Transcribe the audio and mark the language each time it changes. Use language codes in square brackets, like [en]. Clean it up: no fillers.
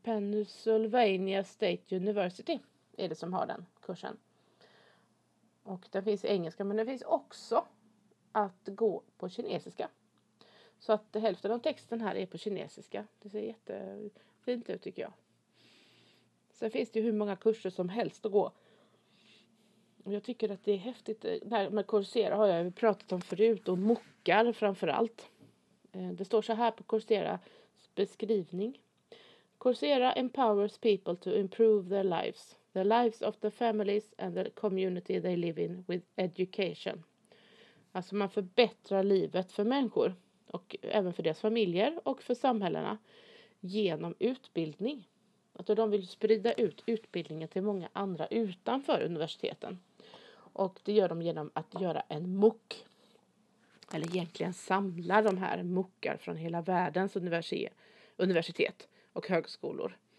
[en] Pennsylvania State University. [sv] Är det som har den kursen. Och den finns i engelska. Men den finns också att gå på kinesiska. Så att hälften av texten här är på kinesiska. Det ser jättefint ut tycker jag. Sen finns det ju hur många kurser som helst att gå. Jag tycker att det är häftigt. När man Coursera har jag ju pratat om förut. Och mockar framförallt. Det står så här på Courseras beskrivning. [en] Coursera empowers people to improve their lives. The lives of the families and the community they live in with education. [sv] Alltså man förbättrar livet för människor. Och även för deras familjer och för samhällena. Genom utbildning. Att de vill sprida ut utbildningen till många andra utanför universiteten. Och det gör de genom att göra en MOOC. Eller egentligen samla de här MOOCar från hela världens universitet och högskolor.